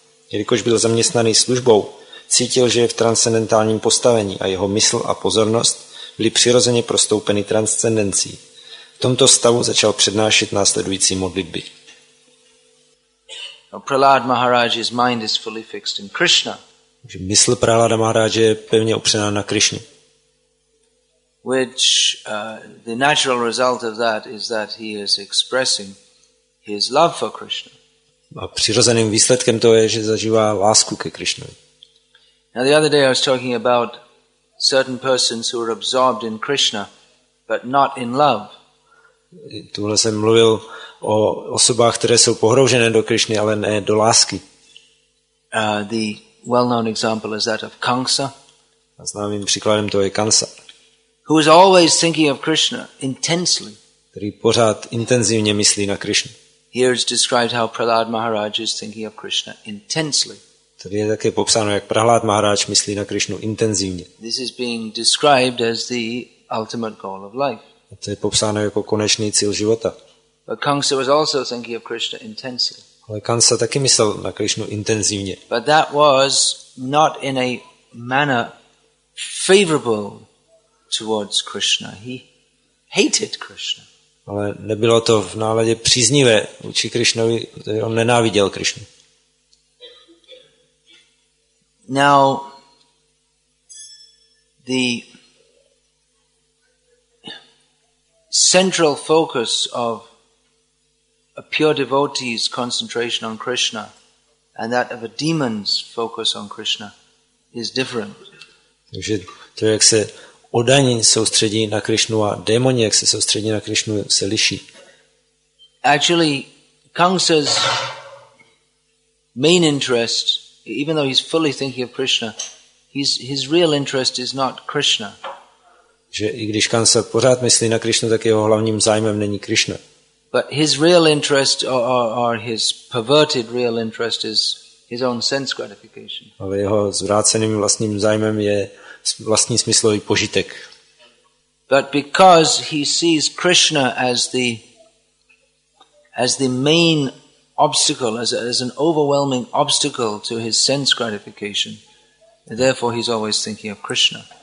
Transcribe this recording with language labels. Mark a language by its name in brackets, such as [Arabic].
[Czech] Jelikož byl zaměstnaný službou, cítil, že je v transcendentálním postavení a jeho mysl a pozornost byly přirozeně prostoupeny transcendencí. V tomto stavu začal přednášet následující modlitby. [English] Prahlád Maharaj's mind is fully fixed in Krishna. [Czech] Mysl Prahláda Maharaj je pevně upřená na Krišnu. [English] Which the natural result of that is that he is expressing his love for Krishna. [Czech] A přirozeným výsledkem toho je, že zažívá lásku ke Krišnovi. [English] Now the other day I was talking about certain persons who are absorbed in Krishna, but not in love. [Czech] Tuhle jsem mluvil o osobách, které jsou pohroužené do Krišny, ale ne do lásky. [English] The well-known example is that of Kamsa. [Czech] A známým příkladem toho je Kamsa. [English] Who is always thinking of Krishna intensely. [Czech] Který pořád intenzivně myslí na Krišnu. [English] Here is described how Prahlad Maharaj is thinking of Krishna intensely. [Czech] Tady je také popsáno, jak Prahlad Maharaj myslí na Krišnu intenzivně. [English] This is being described as the ultimate goal of life. [Czech] A to je popsáno jako konečný cíl života. [English] But Kamsa was also thinking of Krishna intensely. [Czech] Ale Kamsa taky myslel na Krišnu intenzivně. [English] But that was not in a manner favorable towards Krishna. He hated Krishna. [Czech] Ale nebylo to v náladě příznivé vůči Krišnovi, protože on nenáviděl Krišnu. [English] Now the central focus of a pure devotee's concentration on Krishna and that of a demon's focus on Krishna is different. [Czech] Takže to, jak se oddaní soustředí na Krišnu a démoni, jak se soustředí na Krišnu, se liší. [English] Actually, Kamsa's main interest, even though he's fully thinking of Krishna, his real interest is not Krishna. [Czech] Že i když Kamsa pořád myslí na Krišnu, tak jeho hlavním zájmem není Krišna. [English] But his real interest or his perverted real interest is his own sense gratification. [Czech] Ale jeho zvráceným vlastním zájmem je vlastní smyslový požitek. [English] But because he sees Krishna as the main obstacle, as an overwhelming obstacle to his sense gratification, and therefore he's always thinking of Krishna.